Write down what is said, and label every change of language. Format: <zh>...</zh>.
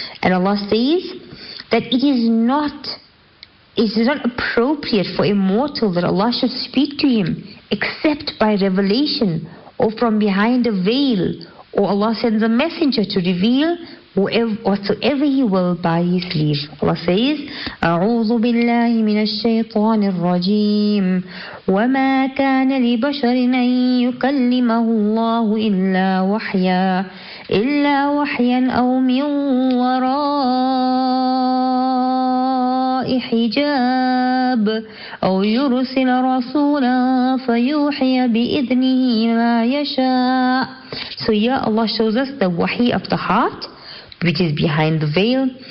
<en>And Allah says that it is not appropriate for a mortal that Allah should speak to him except by revelation or from behind a veil, or Allah sends a messenger to reveal whatsoever he will by his leave. Allah says,</en> <ar>أعوذ بالله من الشيطان الرجيم وما كان لبشر أن يكلمه الله إلا وحيا أو من وراء حجاب أو يرسل رسولا فيوحي بإذنه ما يشاء.</ar> <en>So here Allah shows us the wahi of the heart, which is behind the veil.</en>